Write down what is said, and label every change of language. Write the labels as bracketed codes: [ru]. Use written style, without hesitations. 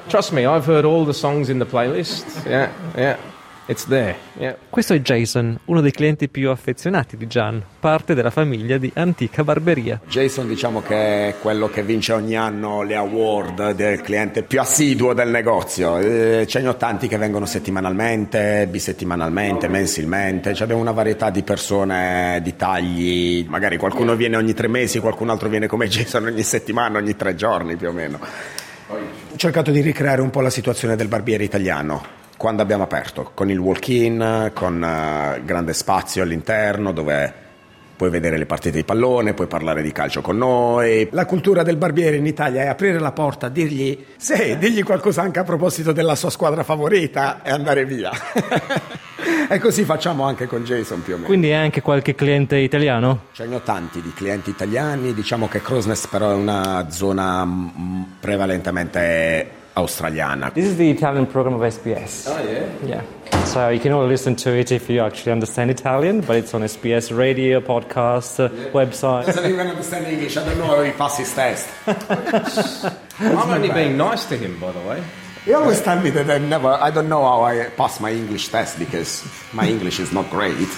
[en] Trust me, I've heard all the songs in the playlist. Yeah. It's there. Yeah. [it] Questo è Jason, uno dei clienti più affezionati di Gian, parte della famiglia di Antica Barberia. Jason, diciamo che è quello che vince ogni anno le award del cliente più assiduo del negozio. Ce ne ho tanti che vengono settimanalmente, bisettimanalmente, mensilmente. Ci abbiamo una varietà di persone, di tagli. Magari qualcuno viene ogni 3 mesi, qualcun altro viene come Jason ogni settimana, ogni 3 giorni più o meno. Ho cercato di ricreare un po' la situazione del barbiere italiano quando abbiamo aperto, con il walk-in, con grande spazio all'interno dove puoi vedere le partite di pallone, puoi parlare di calcio con noi. La cultura del barbiere in Italia è aprire la porta, dirgli qualcosa anche a proposito della sua squadra favorita e andare via. E così facciamo anche con Jason più o meno. Quindi è anche qualche cliente italiano? Ce ne ho tanti di clienti italiani, diciamo che Crosnes però è una zona prevalentemente australiana. [en] This is the Italian program of SBS. Oh yeah. Yeah. So you can all listen to it if you actually understand Italian, but it's on SBS radio, podcast, website. Doesn't even understand English. I don't know how he passes test. I'm only being nice to him, by the way. He always tells me that I don't know how I pass my English test because my English is not great.